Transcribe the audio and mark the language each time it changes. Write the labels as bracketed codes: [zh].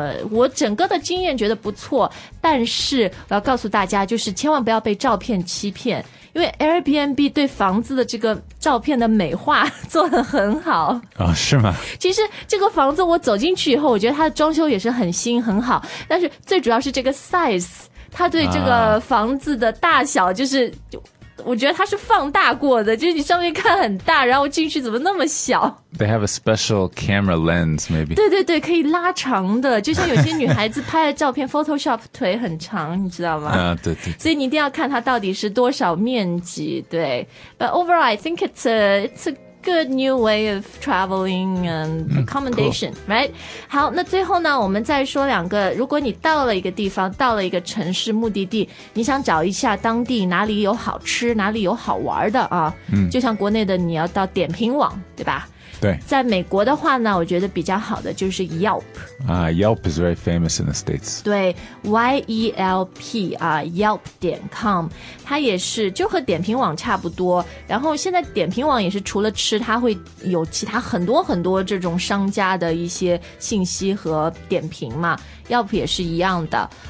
[zh] 我整个的经验觉得不错，但是我要告诉大家，就是千万不要被照片欺骗，因为 Airbnb 对房子的这个照片的美化做得很好。哦，是吗？其实这个房子我走进去以后，我觉得它的装修也是很新很好，但是最主要是这个 size,他对这个房子的大小就是、我觉得他是放大过的，就是你上面看很大，然后进去怎么那么小。 [en] They have a special camera lens maybe. [zh] 对对对，可以拉长的，就像有些女孩子拍的照片Photoshop 腿很长，你知道吗？对对，所以你一定要看它到底是多少面积。对， [en] But overall I think it's a good new way of traveling and accommodation、 cool. right? [zh] 好，那最后呢我们再说两个，如果你到了一个地方，到了一个城市目的地，你想找一下当地哪里有好吃哪里有好玩的啊、就像国内的你要到点评网，对吧？对，在美国的话呢，我觉得比较好的就是 Yelp、 [en] Yelp is very famous in the States. [zh] 对 Y-E-L-P、Yelp.com 它也是就和点评网差不多，然后现在点评网也是除了吃它会有其他很多很多这种商家的一些信息和点评嘛， Yelp 也是一样的。